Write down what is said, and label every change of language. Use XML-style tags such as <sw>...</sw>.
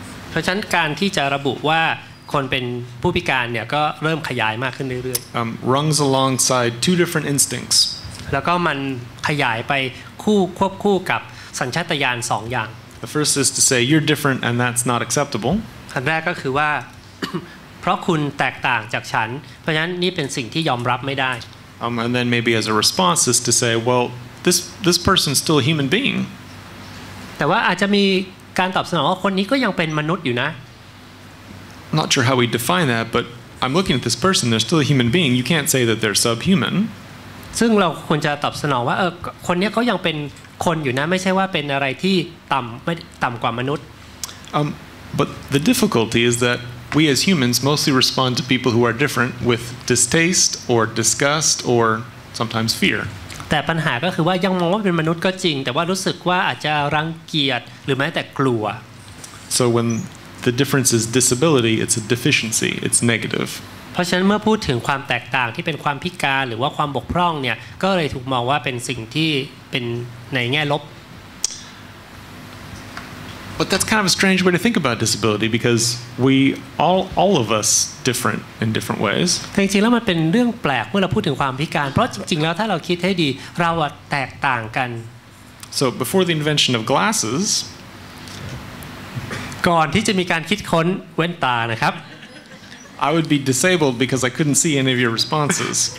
<th>เพราะฉะนั้นการที่จะระบุว่าคนเป็นผู้พิการเนี่ยก็เริ่มขยายมากขึ้นเรื่อยๆ</th> <en>runs alongside two different instincts</en> <th>แล้วก็มันขยายไปคู่ควบคู่กับสัญชาตญาณ2อย่าง</th> <en>the first is to say you're different and that's not acceptable</en> <th>อันแรกก็คือว่า เพราะคุณแตกต่างจากฉันเพราะฉะนั้นนี่เป็นสิ่งที่ยอมรับไม่ได้</th> <en>and then maybe as a response is to say well this person's still a human being</en> <th>แต่ว่าอาจจะมีการตอบสนองว่าคนนี้ก็ยังเป็นมนุษย์อยู่นะ</th> <en>not sure how we define that but I'm looking at this person they're still a human being you can't say that they're subhuman</en> <th>ซึ่งเราควรจะตอบสนองว่าคนนี้เขายังเป็นคนอยู่นะไม่ใช่ว่าเป็นอะไรที่ต่ำกว่ามนุษย์</th> <en>but the difficulty is that we as humans mostly respond to people who are different with distaste or disgust or sometimes fear.</en> <th>แต่ปัญหาก็คือว่ายังมองว่าเป็นมนุษย์ก็จริงแต่ว่ารู้สึกว่าอาจจะรังเกียจหรือแม้แต่กลัว</th> <en>So when the difference is disability, it's a deficiency, it's negative.</en> <th>เพราะฉะนั้นเมื่อพูดถึงความแตกต่างที่เป็นความพิการหรือว่าความบกพร่องเนี่ยก็เลยถูกมองว่าเป็นสิ่งที่เป็นในแง่ลบ</th> <en>But that's kind of a strange way to think about disability because we all of us different in different ways.</en> <th>จริงๆแล้วมันเป็นเรื่องแปลกเมื่อเราพูดถึงความพิการเพราะจริงๆแล้วถ้าเราคิดให้ดีเราอะแตกต่างกัน</th> <en>So before the invention of glasses</en> <th>ก่อนที่จะมีการคิดค้นแว่นตานะครับ</th> <en>I would be disabled because I couldn't see any of your responses.</en>